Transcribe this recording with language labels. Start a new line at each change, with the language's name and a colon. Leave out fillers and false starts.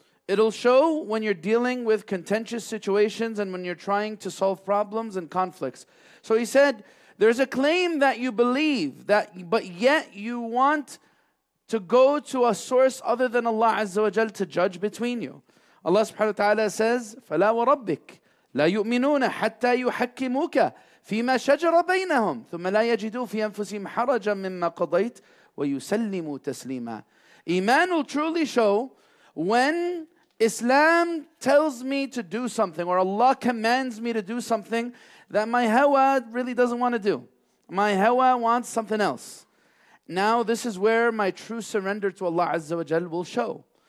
English: It'll show when you're dealing with contentious situations and when you're trying to solve problems and conflicts. So he said, there's a claim that you believe, that, but yet you want to go to a source other than Allah Azza wa Jal to judge between you.
Arabic: Allah subhanahu wa ta'ala says, فَلَا وَرَبِّكَ لَا يُؤْمِنُونَ حَتَّى يُحَكِّمُوكَ فِيمَا شَجَرَ بَيْنَهُمْ ثُمَّ لَا يَجِدُوا فِي أَنفُسِهِمْ حَرَجًا مِمَّا قَضَيْتَ وَيُسَلِّمُوا تَسْلِيمًا.
English: Iman will truly show when Islam tells me to do something or Allah commands me to do something that my hawa really doesn't want to do. My hawa wants something else. Now this is where my true surrender to Allah Azza wa Jal will show.